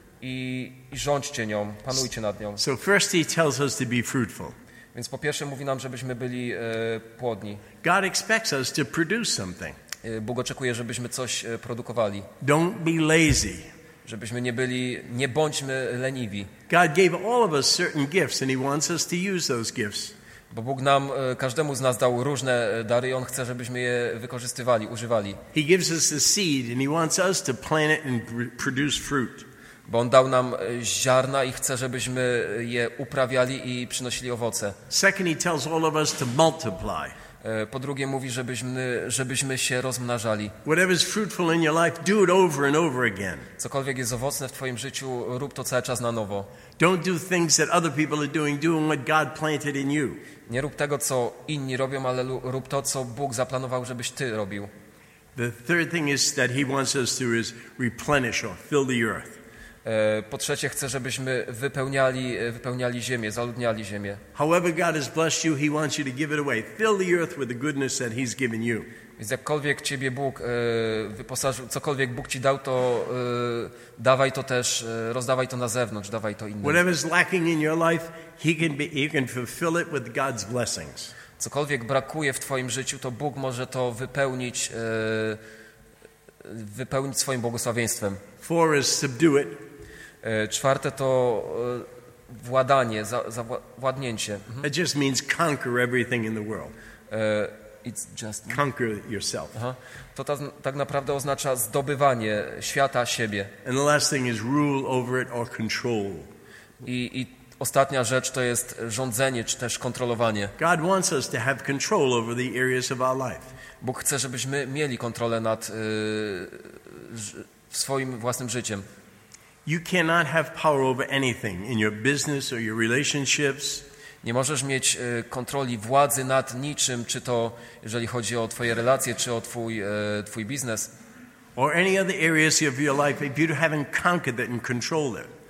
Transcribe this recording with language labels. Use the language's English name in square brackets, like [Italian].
[Polish] I rządźcie nią, panujcie nad nią. [English] So first he tells us to be fruitful. [Polish] Więc po pierwsze mówi nam, żebyśmy byli płodni. [English] God expects us to produce something. [Polish] Bóg oczekuje, żebyśmy coś produkowali. [English] Don't be lazy. [Polish] Żebyśmy nie byli, nie bądźmy leniwi. [English] God gave all of us certain gifts and he wants us to use those gifts. [Polish] Bo Bóg nam, każdemu z nas dał różne dary i On chce, żebyśmy je wykorzystywali, używali. [English] He gives us the seed and he wants us to plant it and produce fruit. [Polish] Bo On dał nam ziarna i chce, żebyśmy je uprawiali i przynosili owoce. [English] Second, he tells all of us to multiply. [Polish] Po drugie mówi, żebyśmy się rozmnażali. [English] Whatever is fruitful in your life, do it over and over again. [Polish] Cokolwiek jest owocne w twoim życiu, rób to cały czas na nowo. [English] Don't do things that other people are doing, do what God planted in you. [Polish] Nie rób tego, co inni robią, ale rób to, co Bóg zaplanował, żebyś ty robił. [English] The third thing is that he wants us to is replenish or fill the earth. [Polish] Po trzecie chce, żebyśmy wypełniali ziemię, zaludniali ziemię. [English] However God has blessed you, he wants you to give it away. Fill the earth with the goodness that he's given you. [Polish] Więc jakkolwiek ciebie Bóg wyposażył, cokolwiek Bóg ci dał, to dawaj to też, rozdawaj to na zewnątrz, dawaj to innym. [English] Whatever is lacking in your life, he can fulfill it with God's blessings. [Polish] Cokolwiek brakuje w twoim życiu, to Bóg może to wypełnić wypełnić swoim błogosławieństwem. [English] Four is subdue it. [Polish] Czwarte to władanie, władnięcie. [English] It just means conquer everything in the world. It's just conquer yourself. Aha. [Polish] To tak naprawdę oznacza zdobywanie świata siebie. [English] And the last thing is rule over it or control. [Polish] I ostatnia rzecz to jest rządzenie czy też kontrolowanie. [English] God wants us to have control over the areas of our life. [Polish] Bóg chce, żebyśmy mieli kontrolę nad swoim własnym życiem. [English] You cannot have power over anything in your business or your relationships. [Polish] Nie możesz mieć kontroli, władzy nad niczym, czy to jeżeli chodzi o twoje relacje, czy o twój biznes. [English] Or any other areas of your life if you haven't conquered it and controlled it.